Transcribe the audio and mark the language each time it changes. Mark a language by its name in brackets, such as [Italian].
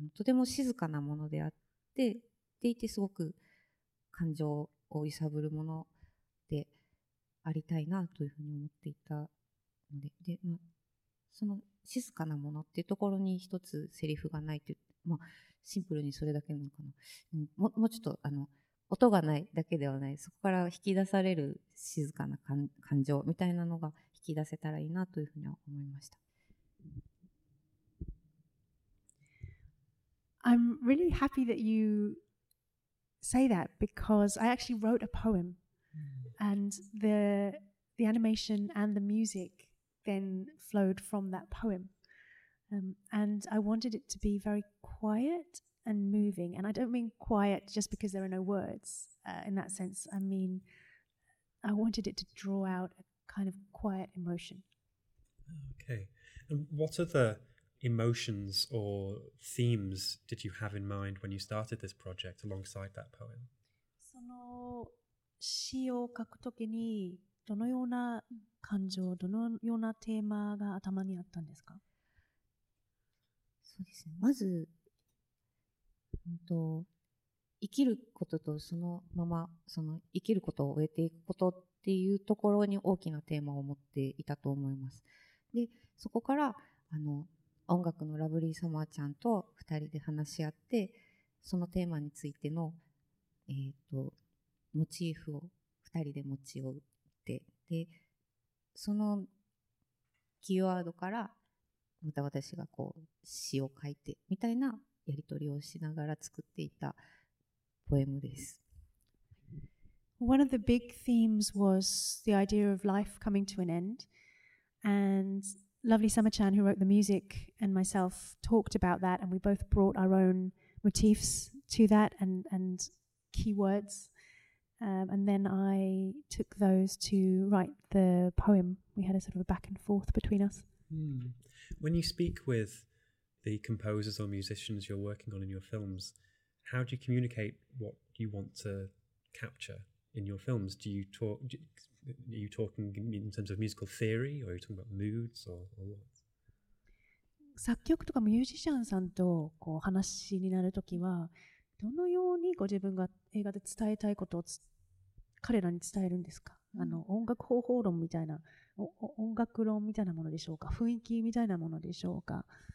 [Japanese] とても静かなものであってでいてすごく感情を揺さぶるものでありたいなというふうに思っていたの で、まあ、その静かなものっていうところに一つセリフがないという、まあ、シンプルにそれだけなのかな、もうちょっと音がないだけではないそこから引き出される静かな感情みたいなのが引き出せたらいいなというふうには思いました。 [English] I'm really happy that you say that because I actually wrote a poem and the animation and the musicthen flowed from that poem. And I wanted it to be very quiet and moving. And I don't mean quiet just because there are no words in that sense. I mean, I wanted it to draw out a kind of quiet emotion. Okay. And what other emotions or themes did you have in mind when you started this project alongside that poem? [Japanese] その詩を書くときにどのような感情、どのようなテーマが頭にあったんですか？そうですね、まず、生きることとそのまま、その生きることを終えていくことっていうところに大きなテーマを持っていたと思います。で、そこから音楽のラブリーサマーちゃんと2人で話し合って、そのテーマについての、モチーフを2人で持ち寄って、でそのキーワードからまた私がこう詩を書いてみたいなやり取りをしながら作っていたポエムです。 [English] One of the big themes was the idea of life coming to an end. And Lovely Summer-chan, who wrote the music, and myself talked about that, and we both brought our own motifs to that and keywords. And then I took those to write the poem. We had a sort of a back and forth between us. Mm. When you speak with the composers or musicians you're working on in your films, how do you communicate what you want to capture in your films? Are you talking in terms of musical theory, or are you talking about moods, or what? [Japanese] 作曲とかミュージシャンさんとこう話になるときは、どのようにご自分が映画で伝えたいことを彼らに伝えるんですか、うん、音楽方法論みたいな音楽論みたいなものでしょうか雰囲気みたいなものでしょうか、